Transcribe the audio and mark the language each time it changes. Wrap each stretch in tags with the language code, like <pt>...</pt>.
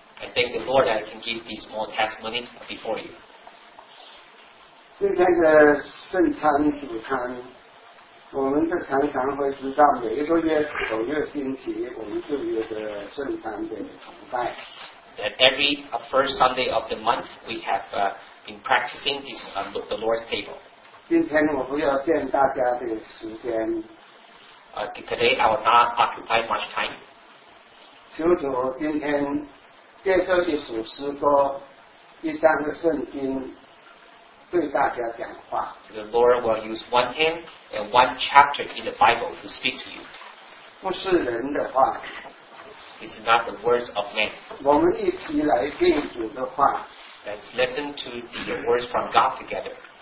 <en>I thank the Lord that I can give this small testimony before you.</en> <zh>今天的圣餐主餐。我们就常常会知道每一个月首月星期我们就有个圣餐的崇拜。</zh> <en>That every first Sunday of the month we have been practicing this the Lord's table.</en> <zh>今天我不要占大家的时间。</zh> <en>Today I will not occupy much time.</en> <zh>求主今天借着一首诗歌一张的圣经对大家讲话。</zh> <en>So the Lord will use one hymn and one chapter in the Bible to speak to you.</en> <zh>不是人的话。</zh> <en>It's not the words of man.</en> <zh>我们一起来听主的话。</zh> <en>Let's listen to the words from God together.</en>